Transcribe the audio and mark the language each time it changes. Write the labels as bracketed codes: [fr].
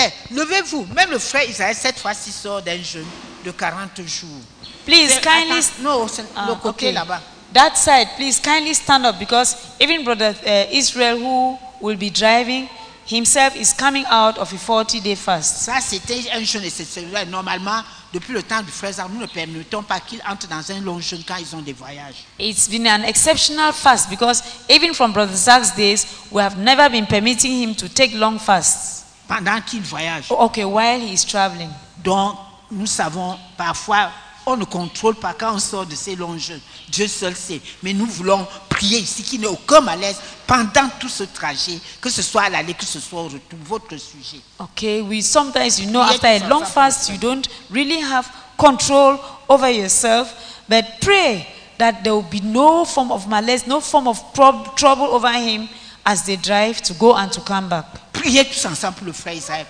[fr] Levez-vous, même le frère Isaac, cette fois-ci sort d'un jeûne de 40 jours. [en] Please, c'est, kindly. [fr] Non, le côté okay. Là-bas. [en] That side, please kindly stand up because even brother Israel, who will be driving himself, is coming out of a 40-day fast. [fr] Ça, c'était un jeûne et c'est celui-là. Normalement, depuis le temps du frère Isaac, nous ne permettons pas qu'il entre dans un long jeûne quand ils ont des voyages. [en] It's been an exceptional fast because even from brother Isaac's days, we have never been permitting him to take long fasts. [fr] Pendant qu'il voyage. [en] Okay, while he is traveling. [fr] Donc, nous savons, parfois, on ne contrôle pas quand on sort de ces longs jeûnes. Dieu seul sait. Mais nous voulons prier ici qu'il n'ait aucun malaise pendant tout ce trajet, que ce soit à l'aller, que ce soit au retour, votre sujet. [en] Ok, oui, sometimes you know, after a long fast, you don't really have control over yourself, but pray that there will be no form of malaise, no form of trouble over him as they drive to go and to come back. [fr] Priez tous ensemble pour le frère Israël.